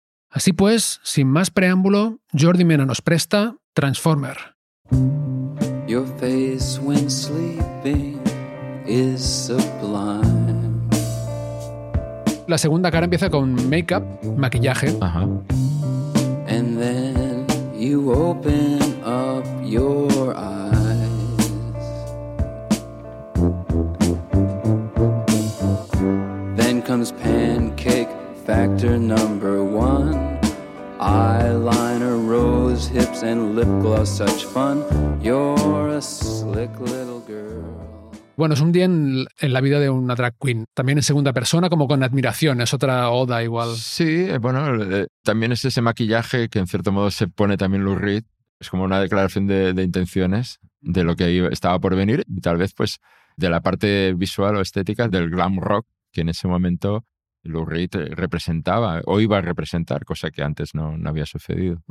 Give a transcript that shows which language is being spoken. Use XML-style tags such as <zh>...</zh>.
<es>Así pues, sin más preámbulo, Jordi Mena nos presta Transformer.</es> <en>Your face when sleeping is sublime.</en> <es>La segunda cara empieza con makeup, maquillaje. Ajá.</es> <en>And then you open up your eyes. Then comes pancake factor number one. Eyeliner, rose hips, and lip gloss, such fun. You're a slick little girl.</en> <es>Bueno, es un día en la vida de una drag queen. También en segunda persona, como con admiración. Es otra oda igual. Sí, bueno, también es ese maquillaje que en cierto modo se pone también Lou Reed. Es como una declaración de intenciones de lo que estaba por venir. Y tal vez, pues, de la parte visual o estética del glam rock, que en ese momento Lou Reed representaba o iba a representar, cosa que antes no había sucedido.</es>